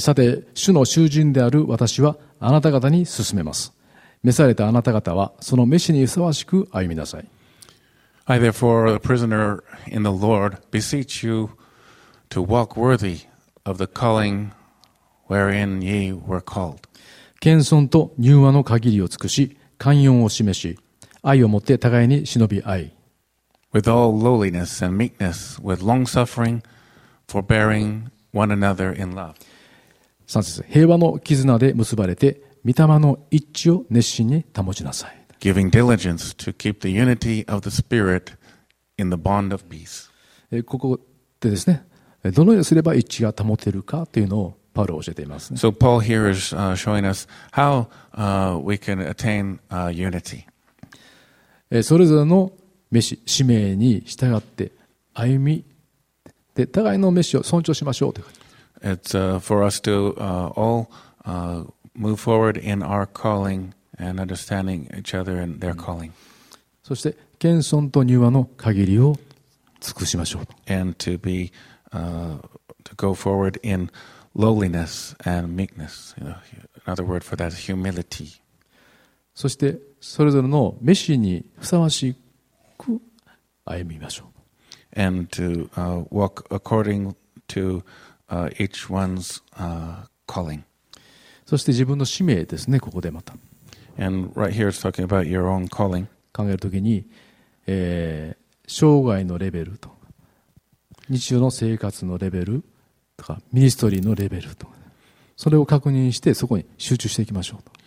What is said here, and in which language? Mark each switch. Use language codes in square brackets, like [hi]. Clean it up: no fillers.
[ja] さて、主の囚人である私はあなた方に進めます。召されたあなた方はその召しにふさわしく歩みなさい。 [en] I therefore, a prisoner in the Lord, beseech you to walk worthy of the calling wherein ye were called. [ja] 謙遜と柔和の限りを尽くし、寛容を示し、愛をもって互いに忍び合い。 [en] With all lowliness and meekness, with long suffering, forbearing one another in love. [ja] 三節、平和の絆で結ばれて、御霊の一致を熱心に保ちなさい。 [en] Giving diligence to keep the unity of the Spirit in the bond of peace. [ja] ここでですね、どのようにすれば一致が保てるかというのをパウロは教えていますね。 [en] So Paul here is showing us how we can attain unity. [ja] それぞれの使命に従って歩み、で互いの召しを尊重しましょうという。 [en] It's for us to all move forward in our calling and understanding each other and their calling. [ja] そして謙遜と柔和の限りを尽くしましょう。 [en] And to be to go forward in lowliness and meekness. Another word for that is humility. [ja] そしてそれぞれの召しにふさわしく歩みましょう。 [en] And to walk according to each one's calling. [ja] そして自分の使命ですね、ここでまた。 [en] And right here it's talking about your own calling. [ja] 考えるときに、生涯のレベルと、日常の生活のレベルとか、ミニストリーのレベルとか、それを確認して、そこに集中していきましょうと。